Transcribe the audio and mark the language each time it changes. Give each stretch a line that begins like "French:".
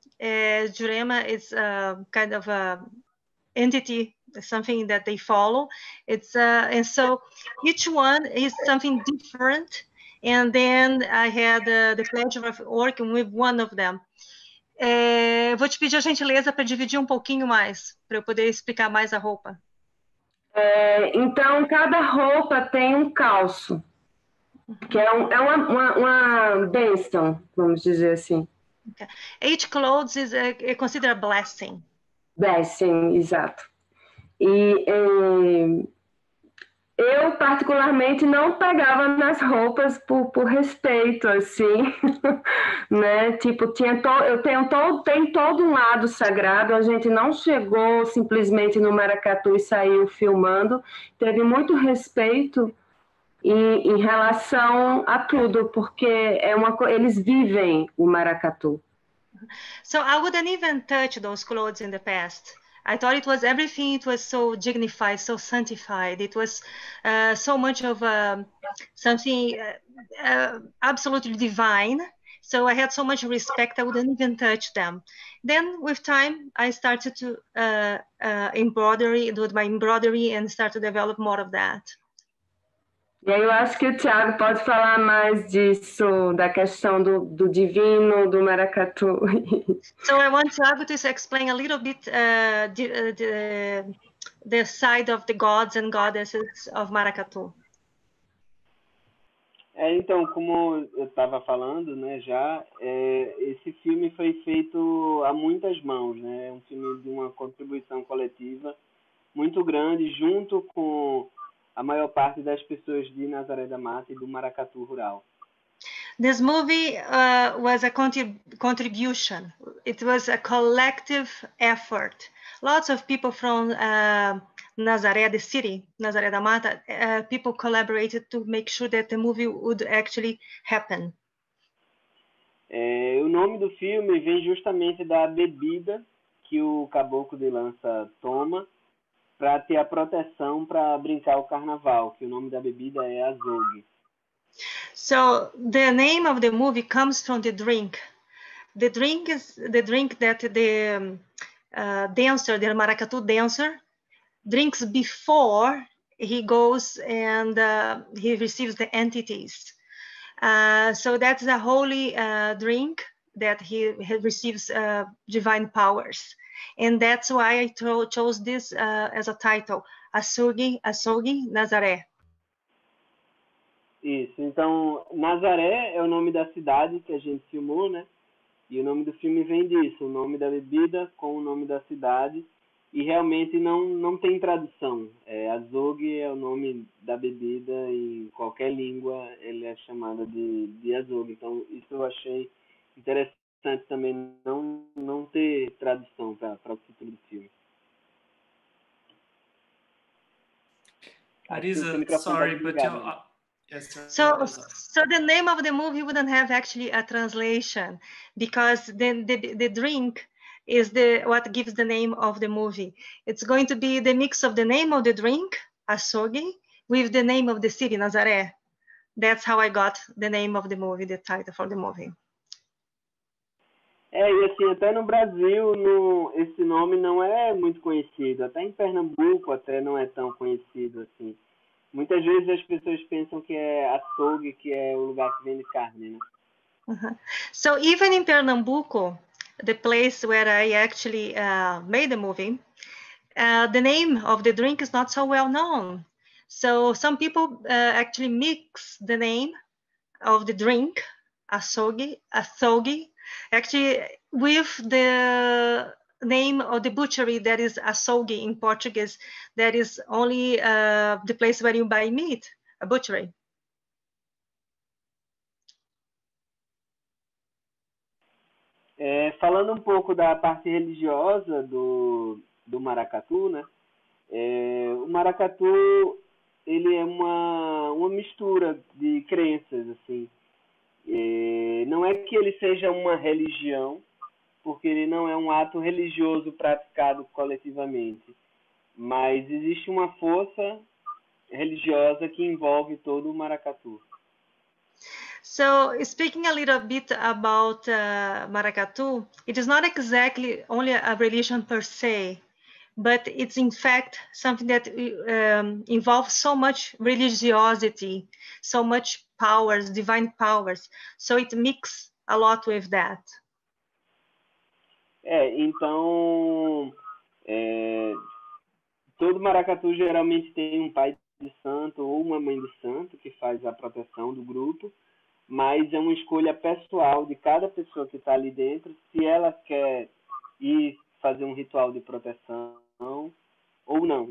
English: Jurema is a kind of a entity, something that they follow. It's and so each one is something different. And then I had the pleasure of working with one of them.
Portuguese: Vou te pedir a gentileza para dividir um pouquinho mais, para eu poder explicar mais a roupa. Então, cada roupa tem um calço, que é uma bênção, vamos dizer assim.
English: Each clothes is considered a blessing.
Portuguese: Bênção, exato. Eu, particularmente, não pegava nas roupas por respeito, assim, né? Tipo, tem todo um lado sagrado, a gente não chegou simplesmente no Maracatu e saiu filmando, teve muito respeito em relação a tudo, porque eles vivem o Maracatu.
English: So I wouldn't even touch those clothes in the past. I thought it was everything. It was so dignified, so sanctified. It was so much of something absolutely divine. So I had so much respect. I wouldn't even touch them. Then, with time, I started to embroidery, do my embroidery, and start to develop more of that.
Portuguese: E aí, eu acho que o Thiago pode falar mais disso, da questão do divino, do maracatu.
English: So I want Thiago to explain a little bit the side of the gods and goddesses of Maracatu.
Portuguese: Então, como eu estava falando, né, já, esse filme foi feito a muitas mãos, né? É um filme de uma contribuição coletiva muito grande, junto com a maior parte das pessoas de Nazaré da Mata e do Maracatu Rural.
English: This movie was a contribution. It was a collective effort. Lots of people from Nazaré, the city, Nazaré da Mata, people collaborated to make sure that the movie would actually happen.
Portuguese: O nome do filme vem justamente da bebida que o Caboclo de Lança toma para ter a proteção para brincar o carnaval, que o nome da bebida é Azougue.
English: So the name of the movie comes from the drink. The drink is the drink that the dancer, the maracatu dancer, drinks before he goes and he receives the entities. So that's a holy drink that he receives divine powers. And that's why I chose this as a title, Açougue Nazaré.
Portuguese: Isso, então Nazaré é o nome da cidade que a gente filmou, né? E o nome do filme vem disso, o nome da bebida com o nome da cidade. E realmente não tem tradução. É, Açougue é o nome da bebida, em qualquer língua ele é chamado de Açougue. Então isso eu achei interessante também, não ter tradução para o título do filme.
English: Arisa, sorry, but yes, so the name of the movie wouldn't have actually a translation, because the drink is the what gives the name of the movie. It's going to be the mix of the name of the drink, Açougue, with the name of the city, Nazaré. That's how I got the name of the movie, the title for the movie.
Portuguese: É, e assim, até no Brasil, esse nome não é muito conhecido. Até em Pernambuco, até não é tão conhecido assim. Muitas vezes as pessoas pensam que é açougue, que é o lugar que vende carne, né?
English: So even in Pernambuco, the place where I actually made the movie, the name of the drink is not so well known. So some people actually mix the name of the drink, açougue, actually with the name of the butchery that is açougue in Portuguese, that is only the place where you buy meat, a butchery.
Portuguese: É, falando um pouco da parte religiosa do maracatu, né? É, o maracatu, ele é uma mistura de crenças, assim. É, não é que ele seja uma religião, porque ele não é um ato religioso praticado coletivamente. Mas existe uma força religiosa que envolve todo o maracatu.
English: So, speaking a little bit about maracatu, it is not exactly only a religion per se, but it's in fact something that involves so much religiosity, so much powers, divine powers. So it mixes a lot with that.
Portuguese: É, então, todo maracatu geralmente tem um pai de santo ou uma mãe de santo que faz a proteção do grupo, mas é uma escolha pessoal de cada pessoa que está ali dentro, se ela quer ir fazer um ritual de proteção ou não.